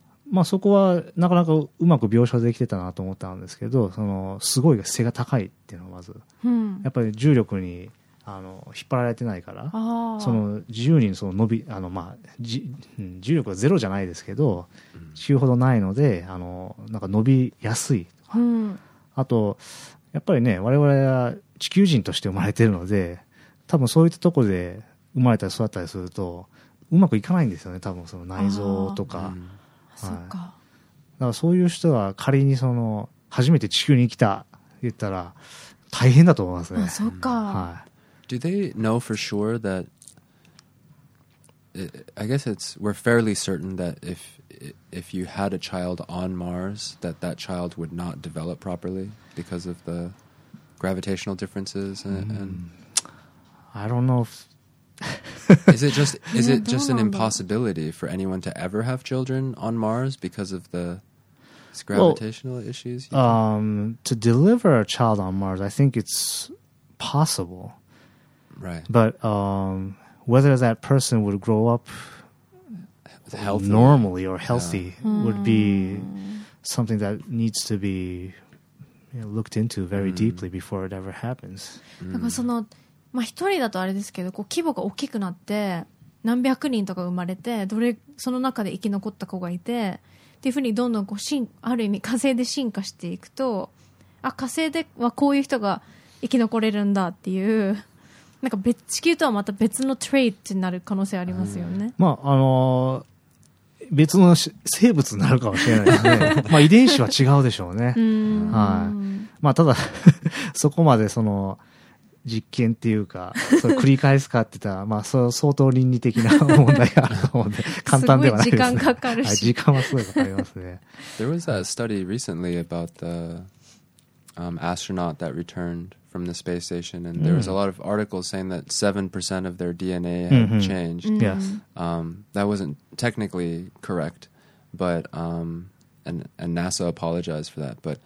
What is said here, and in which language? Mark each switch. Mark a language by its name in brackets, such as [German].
[Japanese] まあ、そこはなかなかうまく描写できてたなと思ったんですけど、そのすごい背が高いっていうのはまず、やっぱり重力に引っ張られてないから、その自由にその伸び、まあ、重力はゼロじゃないですけど、地球ほどないので、なんか伸びやすいとか、あとやっぱりね、我々は地球人として生まれてるので、多分そういったところで生まれたり育ったりするとうまくいかないんですよね、多分その内臓とか。そっか、だからそういう人は仮にその初めて地球に来たって言ったら大変だと思いますね。あ、そっか。はい。 [English] Do they know for sure that I guess it's we're fairly certain that if you had a child on Mars that that child would not develop properly because of the gravitational differences and I don't know if is it just an impossibility for anyone to ever have children on Mars because of the gravitational issues? To deliver a child on Mars, I think it's possible. Right. But whether that person would grow up healthy. Normally or healthy yeah. would be something that needs to be looked into very deeply before it ever happens. [Japanese] だからその、まあ、一人だとあれですけど、こう規模が大きくなって何百人とか生まれて、どれその中で生き残った子がいてっていうふうにどんどんこう進ある意味火星で進化していくと、あ、火星ではこういう人が生き残れるんだっていう、なんか別地球とはまた別のトレイトになる可能性ありますよね。まあ別の生物になるかもしれないですね。まあ遺伝子は違うでしょうね。うん、はい。まあただそこまでその実験っていうかそれ繰り返すかって言ったらまあ相当倫理的な問題があると思うんで簡単ではないですね。すごい時間かかるし、はい、時間はすごいかかりますね。 [English] There was a study recently about the astronaut that returned from the space station, and there was a lot of articles saying that 7% of their DNA had changed. Yes, That wasn't technically correct, but and NASA apologized for that.